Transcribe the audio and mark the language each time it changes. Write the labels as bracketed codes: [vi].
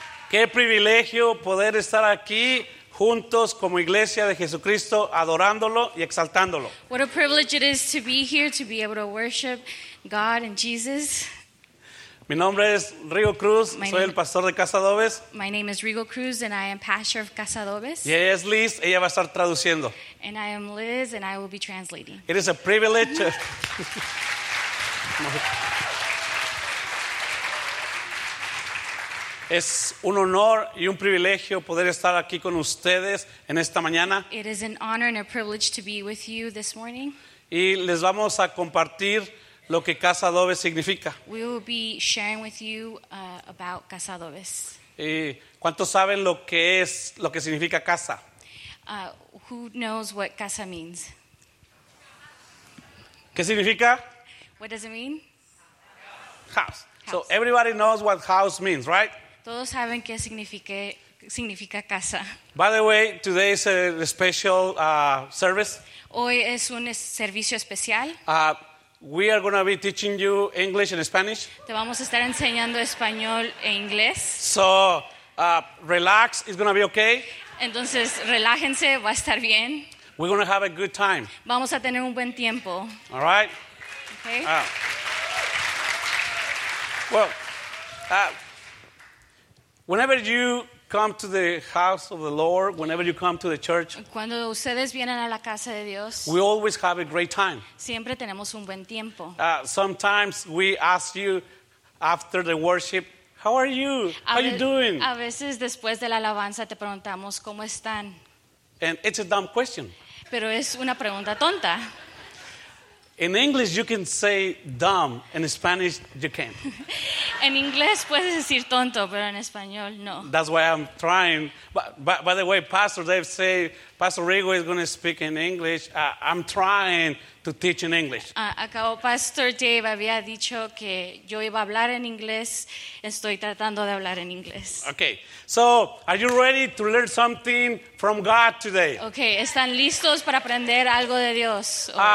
[es] Qué privilegio poder estar aquí juntos como iglesia de Jesucristo adorándolo y exaltándolo. [en] What a privilege it is to be here, to be able to worship God and Jesus. [es] Mi nombre es Rigo Cruz, soy el pastor de Casa Adobes. [en] My name is Rigo Cruz and I am pastor of Casa Adobes. [es] Y ella es Liz, ella va a estar traduciendo. [en] And I am Liz and I will be translating. It is a privilege. [es] Es un honor y un privilegio poder estar aquí con ustedes en esta mañana. [en] It is an honor and a privilege to be with you this morning. [es] Y les vamos a compartir lo que Casa Adobes significa. [en] We will be sharing with you about Casa Adobes. [es] ¿Cuántos saben lo que es, lo que significa casa? [en] Who knows what casa means? [es] ¿Qué significa? [en] What does it mean? House. So everybody knows what house means, right? [es] Todos saben qué significa casa. [en] By the way, today is a special service. [es] Hoy es un servicio especial. [en] We are going to be teaching you English and Spanish. [es] Te vamos a estar enseñando español e inglés. [en] So, relax, it's going to be okay. [es] Entonces, relájense, va a estar bien. [en] We're going to have a good time. [es] Vamos a tener un buen tiempo. [en] All right. Okay. Whenever you come to the house of the Lord, whenever you come to the church, [es] cuando ustedes vienen a la casa de Dios, [en] we always have a great time. [es] Siempre tenemos un buen tiempo. [en] Sometimes we ask you after the worship, how are you? How are you doing? [es] A veces después de la alabanza te preguntamos, ¿cómo están? [en] And it's a dumb question. [es] Pero es una pregunta tonta. [en] In English you can say dumb, in Spanish you can't. [es] En inglés puedes decir tonto, pero en español no. [en] That's why I'm trying. By the way, Pastor Dave say Pastor Rigo is going to speak in English. I'm trying to teach in English. [es] Acabo Pastor Dave había dicho que yo iba a hablar en inglés. Estoy tratando de hablar en inglés. [en] Okay. So, are you ready to learn something from God today? [es] Okay, ¿están listos para aprender algo de Dios?